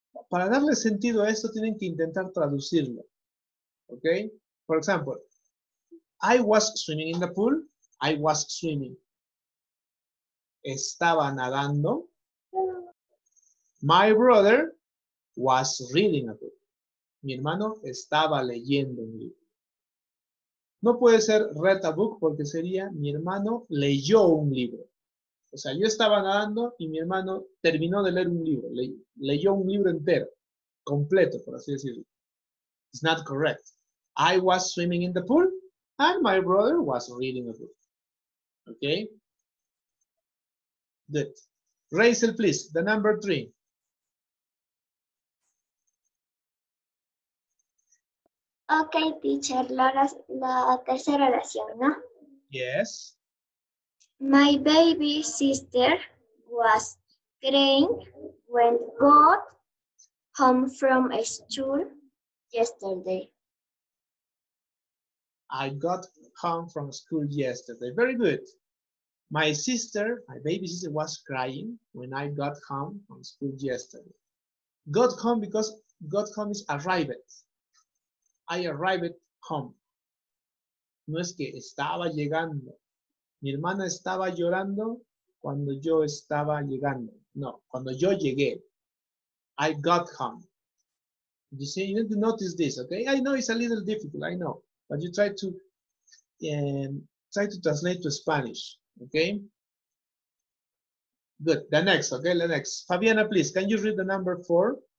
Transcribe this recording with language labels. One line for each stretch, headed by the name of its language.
Spanish: Para darle sentido a esto, tienen que intentar traducirlo.
English: Okay? For example, I was swimming in the pool. I was swimming.
Spanish: Estaba nadando.
English: My brother was reading a book.
Spanish: Mi hermano estaba leyendo un libro. No puede ser
English: read a book
Spanish: porque sería mi hermano leyó un libro. O sea, yo estaba nadando y mi hermano terminó de leer un libro. Leyó un libro entero, completo, por así decirlo.
English: It's not correct. I was swimming in the pool and my brother was reading a book. Okay? Good. Rachel, please, the number 3. Okay, teacher,
Spanish: la tercera oración, ¿no?
English: Yes. My baby sister was crying when got home from school yesterday. I got home from school yesterday. Very good. My sister, my baby sister, was crying when I got home from school yesterday. Got home because got home is arrived. I arrived home.
Spanish: No es que estaba llegando. Mi hermana estaba llorando cuando yo estaba llegando. No, cuando yo llegué.
English: I got home. You see, you need to notice this, okay? I know it's a little difficult, I know. But you try to translate to Spanish. Okay, good. The next, okay, the next. Fabiana, please, can you read the number 4?